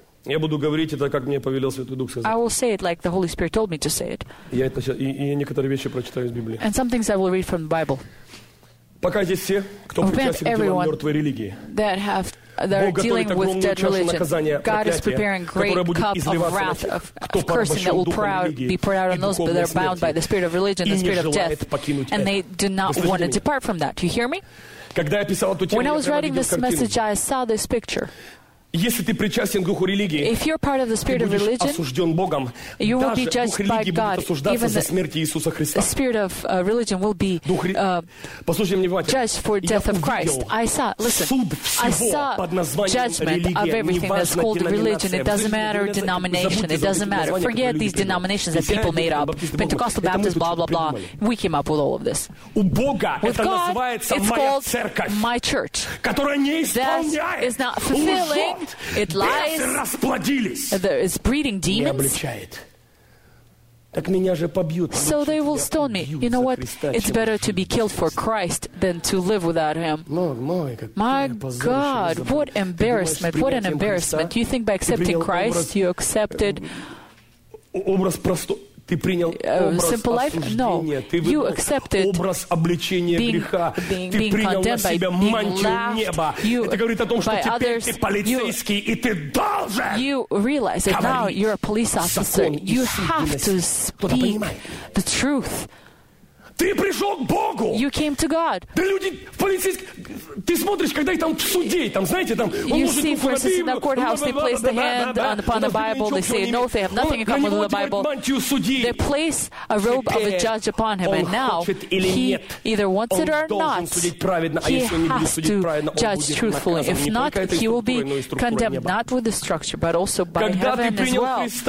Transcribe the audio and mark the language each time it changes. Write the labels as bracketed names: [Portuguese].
[Russian] Я буду говорить это, как мне повелел Святой Дух сказать. [English] I will say it like the Holy Spirit told me to say it. [Russian] Я это сейчас, и некоторые вещи прочитаю из Библии. [English] And some things I will read from the Bible. [Russian] Пока здесь все, кто причастен к делам мертвой религии. [English] That have that are dealing with dead religion. God is preparing great cup of wrath, of cursing that will be poured out on those that are bound by the spirit of religion, the spirit of death, and they do not want to depart from that. You hear me? [Russian] Когда я писал эту тему, [English] When I was writing this message, I saw this picture. [Russian] Если ты причастен к духу религии, [English] If you're part of the spirit [Russian] ты будешь [English] of religion, [Russian] осужден Богом. [English] You will be judged [Russian] Даже дух религии [English] by God, [Russian] будет осуждаться за смерть Иисуса Христа. [English] The spirit of religion will be [Russian] послушай меня внимательно. [English] Judged for death of Christ. I saw, listen, [Russian] суд всего под названием религия. [English] Of everything that's called religion. It doesn't matter denomination. It doesn't matter. Forget these denominations that people made up. Pentecostal, Baptist, blah, blah, blah. We came up with all of this. [Russian] У Бога это называется моя церковь. [English] My church. [Russian] Которая не исполняет. [English] It lies. [Russian] Бесы расплодились. [English] It's breeding demons. [Russian] Не обличает. Так меня же побьют. [English] So they will stone me. You know what? It's better to be killed for Christ than to live without him. My God, what embarrassment, what an embarrassment. You think by accepting Christ, you accepted [Russian] образ простой. Ты принял образ осуждения. [English] No. You accepted [Russian] образ обличения греха. Ты принял на себя мантию неба. Это говорит о том, что теперь ты полицейский, и ты должен говорить закон и справедливость. [English] Now you're a police officer. You have to speak the truth. [Russian] Ты пришел к Богу. [English] You came to God. [Russian] Да люди в полицейских... Ты смотришь, когда их там в суде, там, знаете, там... [English] You see, for instance, in the courthouse, they place the hand upon the Bible. They say, no, they have nothing in common with the Bible. They place a robe of a judge upon him. And now, he either wants it or not, he has to judge truthfully. If not, he will be condemned not with the structure, but also by heaven as well.